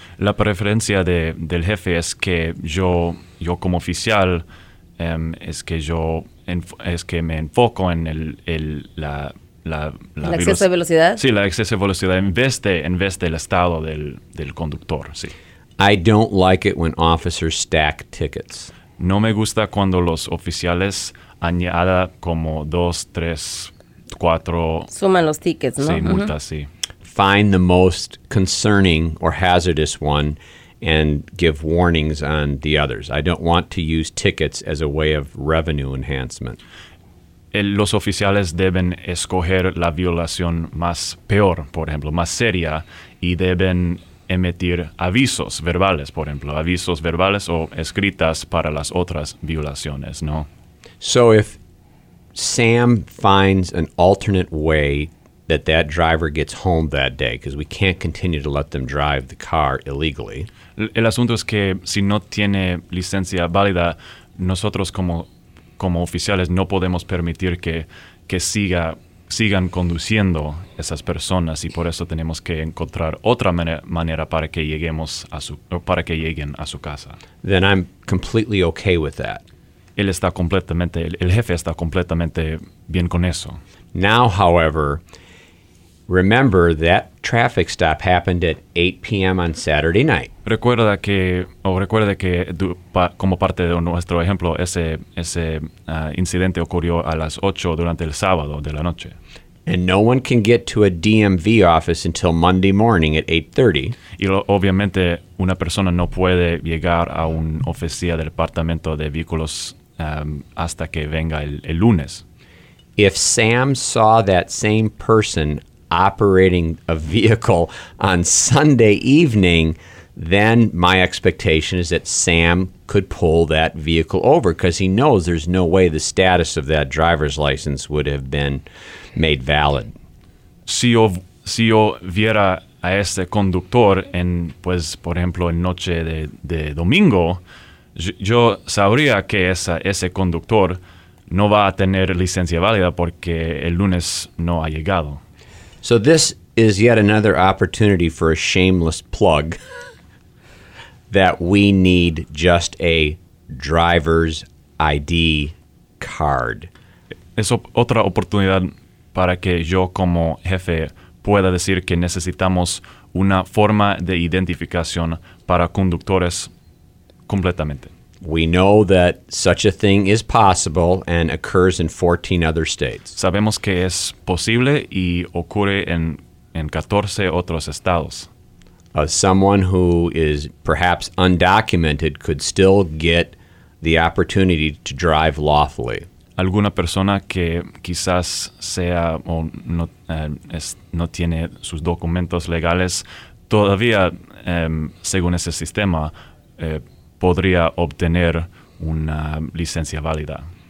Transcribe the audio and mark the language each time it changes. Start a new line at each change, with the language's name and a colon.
Spanish: La preferencia del jefe es que yo como oficial es que me enfoco en exceso de velocidad. Sí, la exceso de velocidad en vez de el estado del conductor. Sí.
English: I don't like it when officers stack tickets.
Spanish: No me gusta cuando los oficiales añada como 2, 3, 4 suman los tickets, ¿no? Sí, multas, uh-huh. Sí.
English: Find the most concerning or hazardous one and give warnings on the others. I don't want to use tickets as a way of revenue enhancement.
Spanish: Los oficiales deben escoger la violación más peor, por ejemplo, más seria, y deben emitir avisos verbales, por ejemplo, avisos verbales o escritas para las otras violaciones, ¿no?
English: So if Sam finds an alternate way that driver gets home that day, because we can't continue to let them drive the car illegally.
Spanish: El asunto es que si no tiene licencia válida, nosotros como oficiales no podemos permitir que sigan conduciendo esas personas, y por eso tenemos que encontrar otra manera para que lleguen a su casa.
English: Then I'm completely okay with that.
Spanish: él está completamente, el jefe está completamente bien con eso.
English: Now, however, remember that traffic stop happened at 8 p.m. on Saturday night.
Spanish: Recuerda que, o recuerde que como parte de nuestro ejemplo, ese incidente ocurrió a las 8 durante el sábado de la noche.
English: And no one can get to a DMV office until Monday morning at 8:30.
Spanish: Y obviamente una persona no puede llegar a una oficina del departamento de vehículos hasta que venga el lunes.
English: If Sam saw that same person operating a vehicle on Sunday evening, then my expectation is that Sam could pull that vehicle over because he knows there's no way the status of that driver's license would have been made valid.
Spanish: Si yo viera a este conductor en, pues, por ejemplo, en noche de domingo, yo sabría que ese conductor no va a tener licencia válida porque el lunes no ha llegado.
English: So this is yet another opportunity for a shameless plug that we need just a driver's ID card.
Spanish: Es otra oportunidad para que yo como jefe pueda decir que necesitamos una forma de identificación para conductores completamente.
English: We know that such a thing is possible and occurs in 14 other states.
Spanish: Sabemos que es posible y ocurre en 14 otros estados.
English: Someone who is perhaps undocumented could still get the opportunity to drive lawfully.
Spanish: Alguna persona que quizás sea o no, no tiene sus documentos legales todavía, según ese sistema, podría obtener una licencia válida.